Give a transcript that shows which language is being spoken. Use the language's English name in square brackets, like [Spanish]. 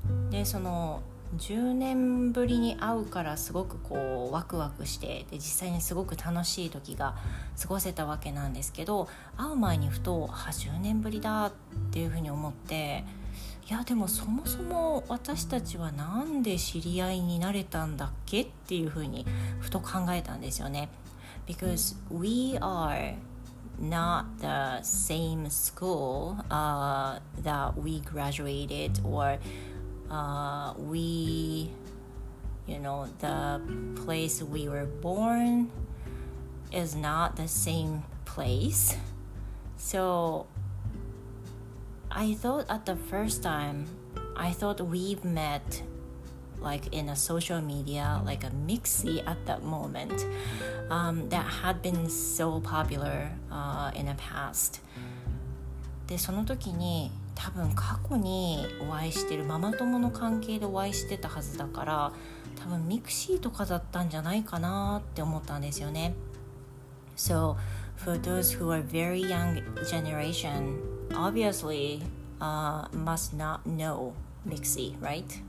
[Japanese] で、その10年ぶりに会うからすごくこうワクワクして、で、実際にすごく楽しい時が過ごせたわけなんですけど、会う前にふと、10年ぶりだっていうふうに思って、いやでもそもそも私たちはなんで知り合いになれたんだっけっていうふうにふと考えたんですよね。 [English] Because we are not the same school that we graduated or we, you know, the place we were born is not the same place. So I thought at the first time, I thought we've met like in a social media, like a Mixi at that moment. That had been so popular in the past. [Japanese] で、その時に多分過去にお会いしてるママ友の関係でお会いしてたはずだから多分ミクシーとかだったんじゃないかなって思ったんですよね。 [English] So for those who are very young generation obviously must not know Mixi, right?